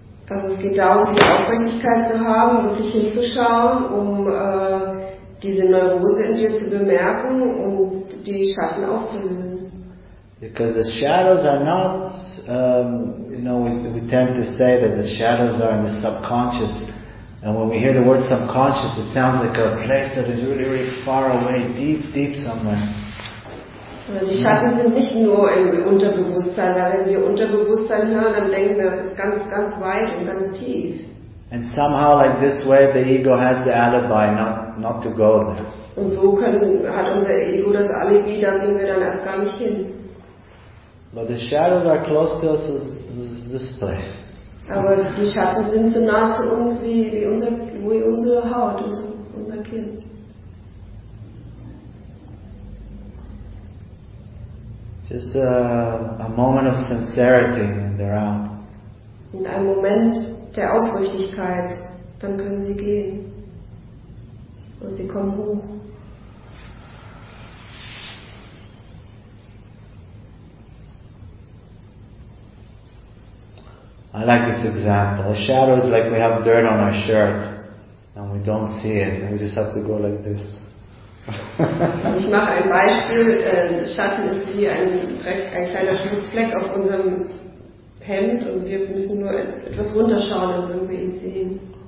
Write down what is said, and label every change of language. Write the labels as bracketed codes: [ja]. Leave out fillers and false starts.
[de] Also es geht darum, die Aufmerksamkeit zu haben, wirklich hinzuschauen, um diese Neurose in dir zu bemerken und die Schatten aufzulösen. [en] Because the shadows are not, we tend to say that the shadows are in the subconscious. And when we hear the word subconscious, it sounds like a place that is really, really far away, deep, deep somewhere. [de] Die Schatten sind nicht nur im Unterbewusstsein, weil wenn wir Unterbewusstsein hören, dann denken wir, das ist ganz, ganz weit und ganz tief. [en] And somehow like this way the ego has the alibi not to go there. [de] Und so hat unser Ego das Alibi, da gehen wir dann erst gar nicht hin. [en] But the shadows are close to us as this place. [de] Aber die Schatten sind so nah zu uns wie unsere Haut, unser Kinn. [en] Just a moment of sincerity and they're out. [de] In einem Moment der Aufrichtigkeit, dann können sie gehen. Und sie kommen hoch. [en] I like this example. A shadow is like we have dirt on our shirt and we don't see it. And we just have to go like this. [de] Ich mache ein Beispiel. Schatten ist wie ein kleiner Schmutzfleck auf unserem Hemd und wir müssen nur etwas runterschauen, dann würden wir ihn sehen.